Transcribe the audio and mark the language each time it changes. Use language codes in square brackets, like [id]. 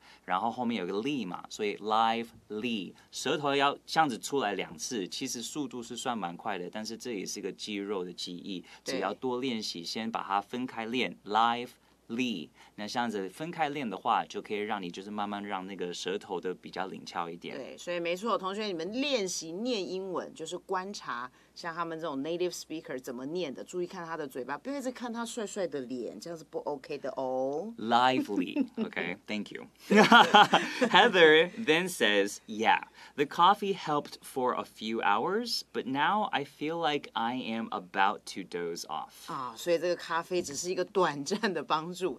[zh] 然后后面有个 li 嘛，所以 lively 舌头要这样子出来两次，其实速度是算蛮快的，但是这也是个肌肉的记忆，只要多练习，先把它分开练 lively， 那这样子分开练的话，就可以让你就是慢慢让那个舌头的比较灵巧一点。对，所以没错，同学你们练习念英文就是观察。像他们这种 native speaker 怎么念的？注意看他的嘴巴，不要一直看他帅帅的脸，这样是不 OK 的哦。 [en] Lively, okay, thank you. Heather then says, "Yeah, the coffee helped for a few hours, but now I feel like I am about to doze off." [zh] 啊，所以这个咖啡只是一个短暂的帮助。